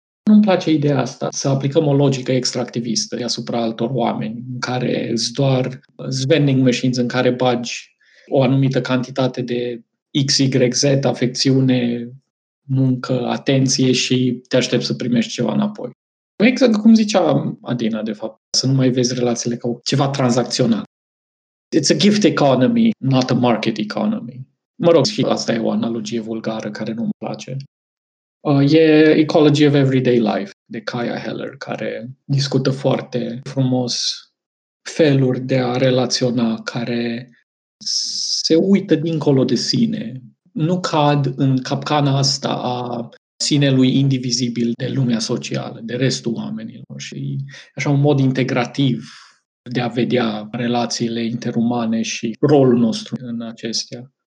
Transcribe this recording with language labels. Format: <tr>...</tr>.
<ro>Nu-mi place ideea asta, să aplicăm o logică extractivistă asupra altor oameni în care îți doar</ro> <en>vending machines</en> <ro>în care bagi o anumită cantitate de XYZ, afecțiune, muncă, atenție și te aștept să primești ceva înapoi. Exact cum zicea Adina, de fapt, să nu mai vezi relațiile ca ceva tranzacțional.</ro> <en>It's a gift economy, not a market economy.</en> <ro>Mă rog, și asta e o analogie vulgară care nu-mi place. E Ecology of Everyday Life, de Kaya Heller, care discută foarte frumos feluri de a relaționa care se uită dincolo de sine, nu cad în capcana asta a sinelui indivizibil de lumea socială, de restul oamenilor și așa un mod integrativ de a vedea relațiile interumane și rolul nostru în acestea.</ro>